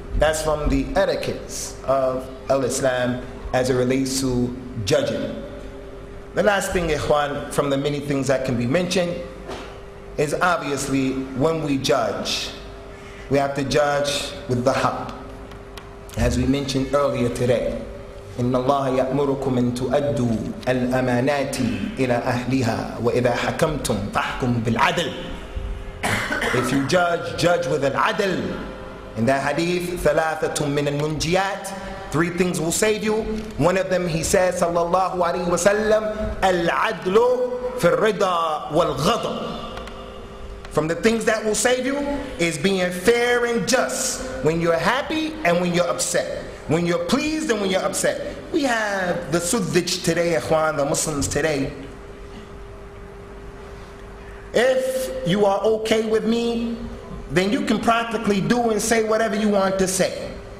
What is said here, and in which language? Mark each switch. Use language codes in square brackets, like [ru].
[en] That's from the etiquettes of al-Islam as it relates to judging. The last thing, ikhwan, from the many things that can be mentioned is obviously when we judge, we have to judge with the haqq. As we mentioned earlier today, [ar] إِنَّ اللَّهَ يَأْمُرُكُمْ أَن تُؤَدُّوا الْأَمَانَاتِ إِلَىٰ أَهْلِهَا وَإِذَا حَكَمْتُمْ فَحْكُمْ بِالْعَدْلِ. [en] If you judge with al-adl. In that hadith, [ar] ثَلَاثَةٌ مِّنَ الْمُنْجِيَاتِ, [en] three things will save you. One of them, he says, [ar] صلى الله عليه وسلم, الْعَدْلُ فِي الرِّضَى وَالْغَضَبِ. [en] From the things that will save you is being fair and just when you're happy and when you're upset. When you're pleased and when you're upset. We have the Suddij today, ikhwan, the Muslims today. If you are okay with me, then you can practically do and say whatever you want to say.